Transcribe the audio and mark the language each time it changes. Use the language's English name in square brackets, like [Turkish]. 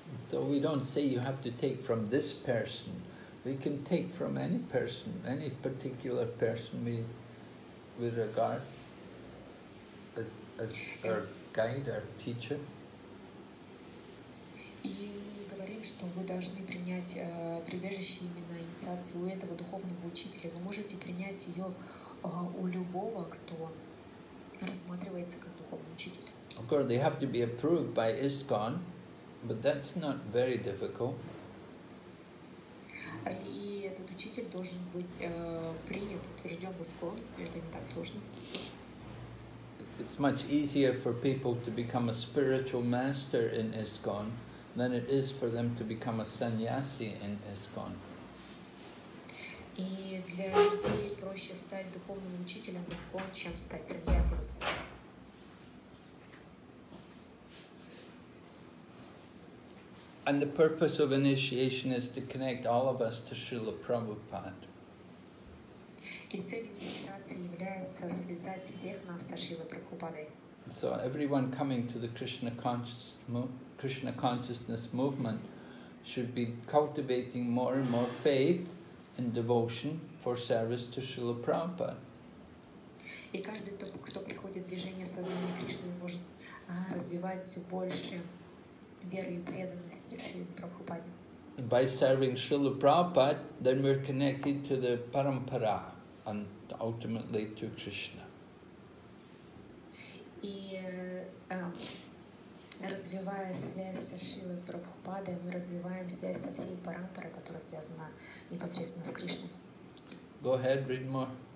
[English] So we don't say you have to take from this person. We can take from any person, any particular person we regard as our guide, our teacher. [Russian] И мы говорим, что вы должны принять прибежище именно инициацию у этого духовного учителя. Вы можете принять ее у любого, кто рассматривается как духовный учитель. [English] Of course, they have to be approved by ISKCON, but that's not very difficult. [Russian] И этот учитель должен быть принят, утвержден в ISKCON, и это не так сложно. [English] It's much easier for people to become a spiritual master in ISKCON than it is for them to become a sannyasi in ISKCON. [Russian] И для людей проще стать духовным учителем в ISKCON, чем стать саньяси в ISKCON. [English] And the purpose of initiation is to connect all of us to Srila Prabhupada. So everyone coming to the Krishna consciousness movement should be cultivating more and more faith and devotion for service to Srila Prabhupada. [Russian] И каждый, кто приходит в движение сознания Кришны, может развивать все больше веры и преданности Шри Прабхупаде. [English] By serving Srila Prabhupada, then we're connected to the parampara and ultimately to Krishna. [Russian] И развивая связь с Шрилой Прабхупадой, мы развиваем связь со всей парампарой, которая связана непосредственно с Кришной. [English] Go ahead, read more.